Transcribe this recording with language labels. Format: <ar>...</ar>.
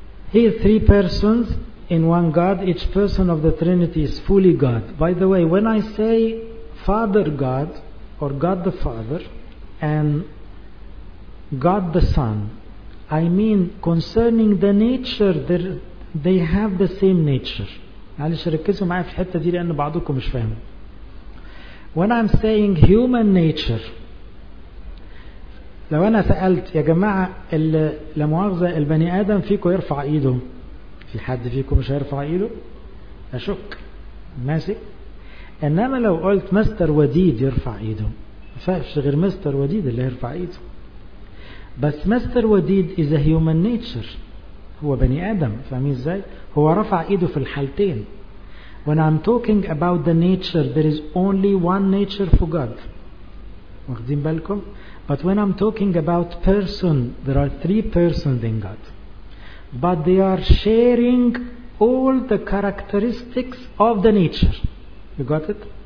<en>He is three persons in one God. Each person of the Trinity is fully God. By the way, when I say Father God or God the Father and God the Son, I mean concerning the nature, they have the same nature.</en> <ar>معلش ركزوا معايا في الحته دي لان بعضكم مش فاهم.</ar> <en>When I'm saying human nature,</en> <ar>لو انا سالت يا جماعه لا مؤاخذه البني ادم فيكم يرفع ايده, في حد فيكم مش هيرفع ايده؟ اشك. ماشي. انما لو قلت مستر وديد يرفع ايده, فش غير مستر وديد اللي يرفع ايده. بس مستر وديد</ar> <en>is a human nature،</en> <ar>هو بني آدم، فاهمين ازاي؟ هو رفع ايده في الحالتين.</ar> <en>When I'm talking about the nature, there is only one nature for God.</en> <ar>واخدين بالكم؟</ar> <en>But when I'm talking about person, there are three persons in God. But they are sharing all the characteristics of the nature. You got it?</en>